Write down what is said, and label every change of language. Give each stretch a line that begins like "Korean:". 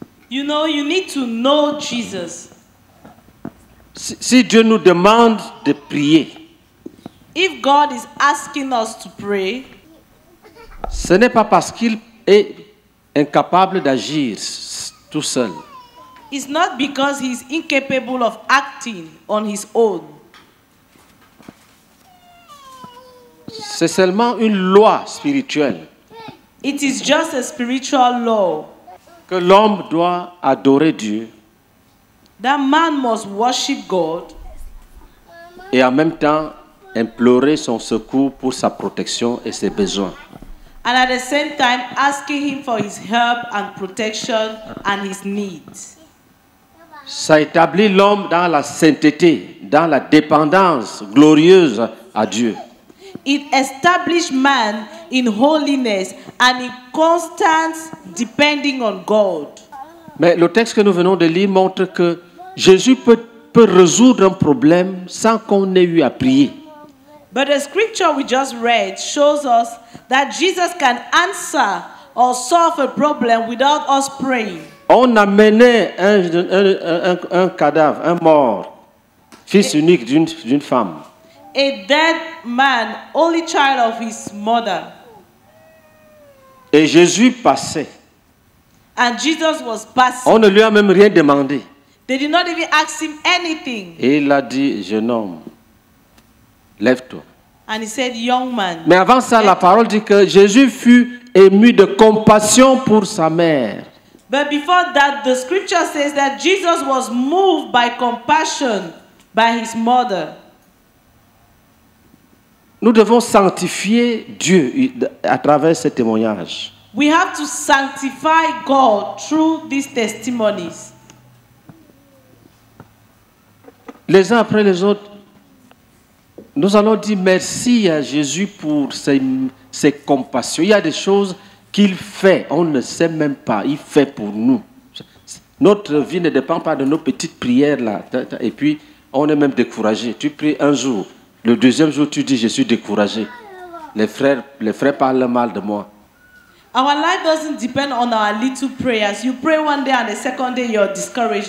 English: You know, you need to know Jesus.
French: Si Dieu nous demande de prier,
English: if God is asking us to pray,
French: ce n'est pas parce qu'il est incapable d'agir tout seul.
English: It's not because he's incapable of acting on his own.
French: C'est seulement une loi spirituelle.
English: It is just a spiritual law.
French: Que l'homme doit adorer Dieu.
English: That man must worship God.
French: Et en même temps implorer son secours pour sa protection et ses besoins.
English: And at the same time asking him for his help and protection and his needs.
French: Ça établit l'homme dans la sainteté, dans la dépendance glorieuse à Dieu.
English: It established man in holiness and in constant depending on God.
French: Mais le texte que nous venons de lire montre que Jésus peut résoudre un problème sans qu'on ait eu à prier.
English: But the scripture we just read shows us that Jesus can answer or solve a problem without us praying.
French: On amenait un cadavre, un mort, fils unique d'une femme.
English: A dead man, only child of his mother.
French: Et Jésus passait.
English: And Jesus was passing.
French: On ne lui a même rien demandé.
English: They did not even ask him anything.
French: Et il a dit, jeune homme, lève-toi.
English: And he said, young man.
French: Mais avant ça, la parole dit que Jésus fut ému de compassion pour sa mère.
English: But before that, the scripture says that Jesus was moved by compassion by his mother.
French: Nous devons sanctifier Dieu à travers ce témoignage.
English: We have to sanctify God through these testimonies.
French: les uns après les autres, nous allons dire merci à Jésus pour ses compassions. Il y a des choses qu'il fait, on ne sait même pas, il fait pour nous. Notre vie ne dépend pas de nos petites prières là. Et puis, on est même découragé. Tu pries un jour, le deuxième jour, tu dis je suis découragé. Les frères parlent mal de moi.
English: Our life doesn't depend on our little prayers. You pray one day and the second day you're discouraged.